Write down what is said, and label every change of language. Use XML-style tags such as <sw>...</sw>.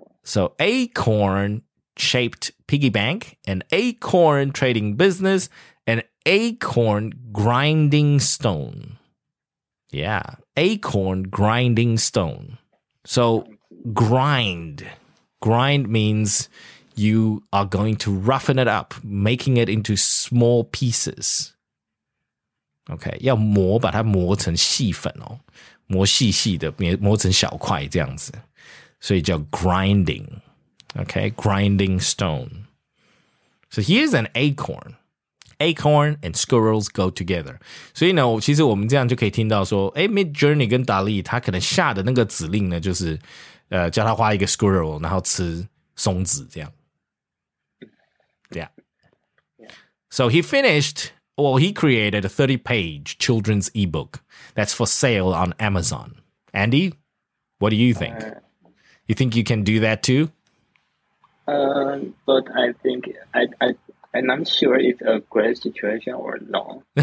<en>So acorn-shaped piggy bank, an acorn trading business, an acorn grinding stone. Yeah, acorn grinding stone. So grind. Grind means you are going to roughen it up, making it into small pieces.</en> <zh>Okay, 要磨把它磨成细粉哦，磨细细的，磨成小块这样子。所以叫grinding, okay, grinding stone.</zh> <en>So here's an acorn. Acorn and squirrels go together.</en> <zh>所以呢，其实我们这样就可以听到说， Midjourney 跟 DALL-E 他可能下的那个指令呢，就是 叫他画一个squirrel 然后吃松子这样。</zh> <en>Yeah. So he finished, well, he created a 30-page children's ebook that's for sale on Amazon. Andy, what do you think? You think you can do that too? But I think I'm not sure it's a great situation or not.</en>